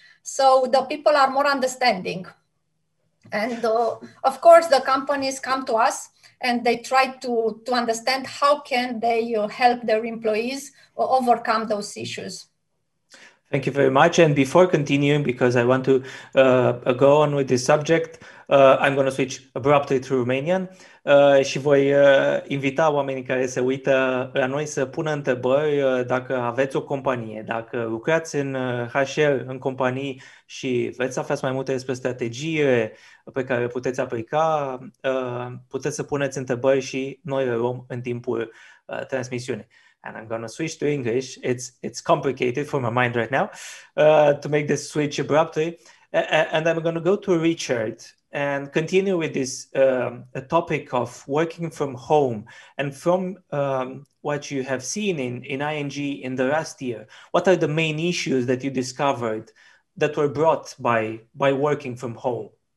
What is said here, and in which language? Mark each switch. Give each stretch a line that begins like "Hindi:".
English: So the people are more understanding. And of course, the companies come to us and they try to understand how can they help their employees overcome those issues. Thank you very much. And before continuing, because I want to go on with this subject, I'm going to switch abruptly to Romanian.
Romanian: Și voi invita oamenii care se uită la noi să pună întrebări dacă aveți o companie, dacă lucrați în HR, în companii și vreți să aflați mai multe despre strategie pe care puteți aplica, puteți să puneți întrebări și noi le luăm în timpul transmisiunii.
English: And I'm going to switch to English. It's complicated for my mind right now to make this switch abruptly. And I'm going to go to Richard and continue with this topic of working from home. And from what you have seen in ING in the last year, what are the main issues that you discovered that were brought by working from home?